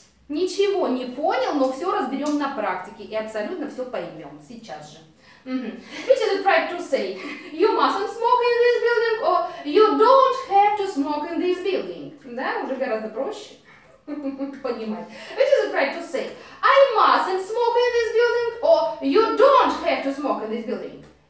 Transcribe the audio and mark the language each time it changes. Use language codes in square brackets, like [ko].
[ru] Ничего не понял, но все разберем на практике и абсолютно все поймем сейчас же. [en] Which is it right to say? You mustn't smoke in this building or you don't have to smoke in this building? [ru] Да, уже гораздо проще понимать. [en] Which is it right to say? I mustn't smoke in this building or you don't have to smoke in this building?